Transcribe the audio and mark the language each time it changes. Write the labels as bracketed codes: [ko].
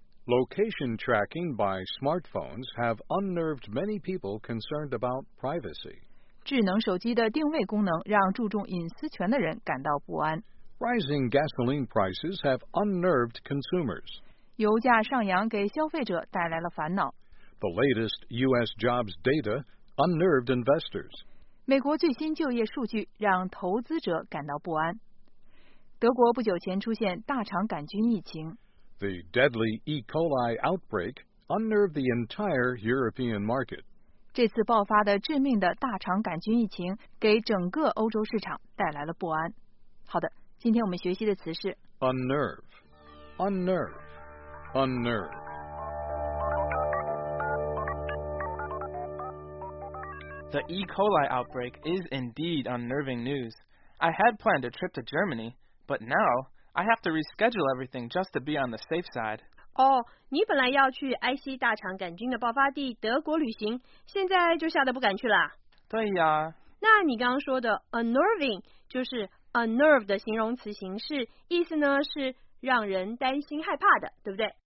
[en] Location tracking by smartphones have unnerved many people concerned about privacy. [zh] 智能手机的定位功能让注重隐私权的人感到不安。 [en] Rising gasoline prices have unnerved consumers. [zh] 油价上扬给消费者带来了烦恼。 [en] The latest U.S. jobs data unnerved investors. [zh] 美国最新就业数据让投资者感到不安。德国不久前出现大肠杆菌疫情。 [en] The deadly E. coli outbreak unnerved the entire European market. [zh] 这次爆发的致命的大肠杆菌疫情给整个欧洲市场带来了不安。好的，今天我们学习的词是 [en] unnerve, unnerve, unnerve. The E. coli outbreak is indeed unnerving news. I had planned a trip to Germany. But now, I have to reschedule everything just to be on the safe side. [zh] 哦、oh, ，你本来要去埃希大肠杆菌的爆发地德国旅行，现在就吓得不敢去了。对呀。那你刚刚说的 unnerving 就是 unnerve 的形容词形式，意思呢是让人担心害怕的，对不对